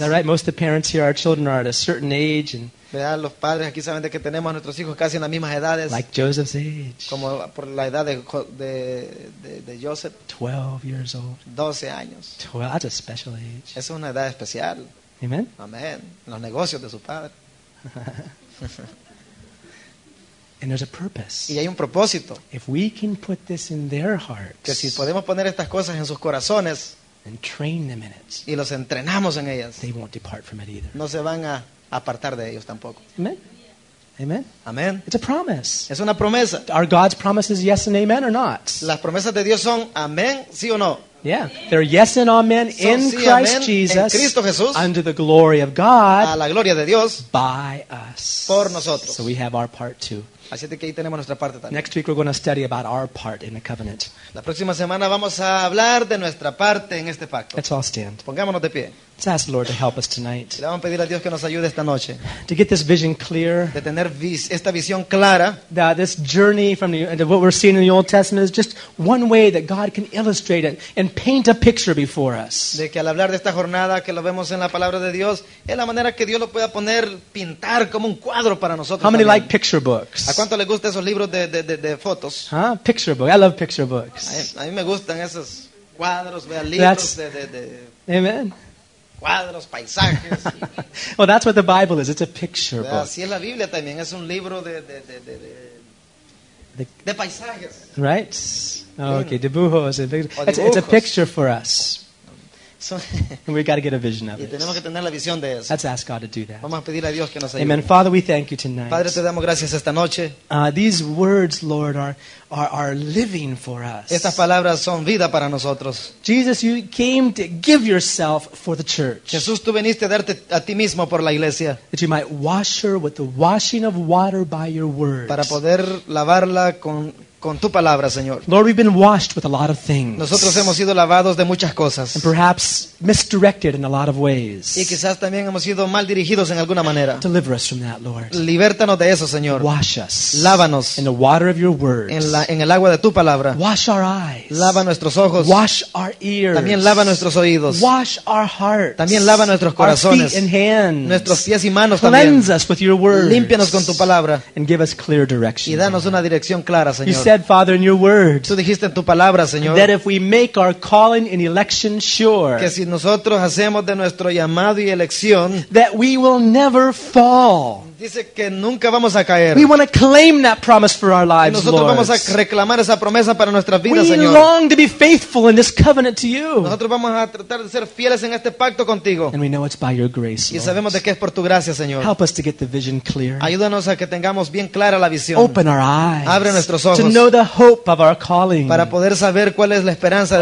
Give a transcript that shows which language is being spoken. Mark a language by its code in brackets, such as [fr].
[en] All right, most of the parents here, our children are at a certain age, and [es] ¿verdad? Los padres aquí saben de que tenemos a nuestros hijos casi en las mismas edades. [en] Like Joseph's age. [es] Como por la edad de Joseph. [en] 12 years old. [es] 12 años. [en] 12, that's a special age. [es] Esa es una edad especial. [en] Amen. [es] Amen. Los negocios de su padre. [en] And there's a purpose. [es] Y hay un propósito. [en] If we can put this in their hearts, [es] que si podemos poner estas cosas en sus corazones, [en] and train them in it, [es] y los entrenamos en ellas, [en] they won't depart from it either. [es] No se van a apartar de ellos tampoco. [en] Amen. Amen. Amen. It's a promise. [es] Es una promesa. [en] Are God's promises yes and amen or not? [es] Las promesas de Dios son amén, sí o no. [en] Yeah, they're yes and amen in Christ Jesus, [es] en Cristo Jesús, [en] under the glory of God, [es] a la gloria de Dios, [en] by us, [es] por nosotros. [en] So we have our part too. [es] Así que ahí tenemos nuestra parte también. [en] Next week we're going to study about our part in the covenant. [es] La próxima semana vamos a hablar de nuestra parte en este pacto. [en] Let's all stand. [es] Pongámonos de pie. [en] Let's ask the Lord to help us tonight. [es] Le vamos a pedir a Dios que nos ayude esta noche. [en] To get this vision clear. [es] De tener esta visión clara. [en] That this journey from what we're seeing in the Old Testament is just one way that God can illustrate it and paint a picture before us. [es] De que al hablar de esta jornada que lo vemos en la palabra de Dios es la manera que Dios lo pueda poner pintar como un cuadro para nosotros. [en] How many [es] también [en] like picture books? [es] ¿A cuánto le gustan esos libros de fotos? [en] Huh? Picture books. I love picture books. [es] A mí me gustan esos cuadros, vea, libros de [en] Amen. [es] Cuadros, paisajes. [en] Well, that's what the Bible is. It's a picture book. [es] Así es la Biblia también. Es un libro de paisajes. [en] Right? Okay, dibujos. It's a picture for us. And we've got to get a vision of it. [es] Y tenemos que tener la visión de eso. [en] Let's ask God to do that. [es] Vamos a pedirle a Dios que nos ayude. [en] Amen. Father, we thank you tonight. [es] Padre, te damos gracias esta noche. [en] These words, Lord, are living for us. [es] Estas palabras son vida para nosotros. [en] Jesus, you came to give yourself for the church. [es] Jesús, tú viniste a darte a ti mismo por la iglesia. [en] That you might wash her with the washing of water by your word. [es] Para poder lavarla con tu palabra, Señor. [en] Lord, we've been washed with a lot of things. [es] Nosotros hemos sido lavados de muchas cosas. [en] And perhaps misdirected in a lot of ways. [es] Y quizás también hemos sido mal dirigidos en alguna manera. [en] Deliver us from that, Lord. [es] Libértanos de eso, Señor. [en] Wash us. [es] Lávanos. [en] In the water of your words. [es] En el agua de tu palabra. [en] Wash our eyes. [es] Lava nuestros ojos. [en] Wash our ears. [es] También lava nuestros oídos. [en] Wash our hearts. [es] También lava nuestros corazones. [en] Our feet and hands. [es] Nuestros pies y manos [en] Cleanse [es] también. [en] Cleanse us with your words. [es] Límpianos con tu palabra. [en] And give us clear direction. [es] Y danos una dirección clara, Señor. [en] Father, in your word, [es] tú dijiste en tu palabra, Señor, [en] that if we make our calling and election sure, [es] que si nosotros hacemos de nuestro llamado y elección, [en] that we will never fall. [es] Dice que nunca vamos a caer. [en] We want to claim that promise for our lives, [es] nosotros [en] Lord. [es] Vamos a reclamar esa promesa para nuestras vidas, [en] we [es] Señor. [en] We long to be faithful in this covenant to you. [es] Nosotros vamos a tratar de ser fieles en este pacto contigo. [en] And we know it's by your grace, [es] y sabemos [en] Lord. [es] De que es por tu gracia, Señor. [en] Help us to get the vision clear. [es] Ayúdanos a que tengamos bien clara la visión. [en] Open our eyes. [es] Abre nuestros ojos. [en] To know the hope of our calling. [es] Para poder saber cuál es la esperanza de